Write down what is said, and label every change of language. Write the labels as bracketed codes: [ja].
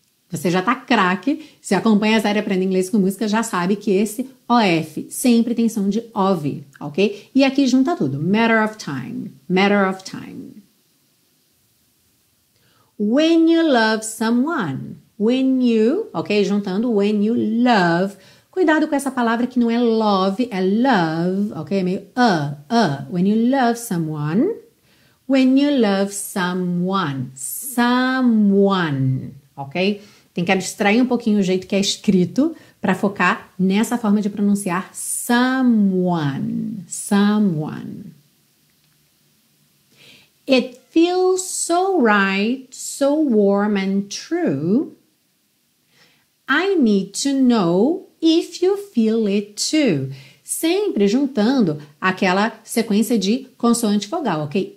[pt] Você já tá craque, se acompanha a série Aprenda Inglês com Música, já sabe que esse OF sempre tem som de OV, ok? E aqui junta tudo, [en] matter of time, matter of time. When you love someone, when you, ok? [pt] Juntando when you love, cuidado com essa palavra que não é love, é love, ok? É meio [en] when you love someone, when you love someone, someone, ok? [pt] Tem que abstrair um pouquinho o jeito que é escrito para focar nessa forma de pronunciar [en] someone, someone. It feels so right, so warm and true. I need to know if you feel it too. [pt] Sempre juntando aquela sequência de consoante vogal, ok?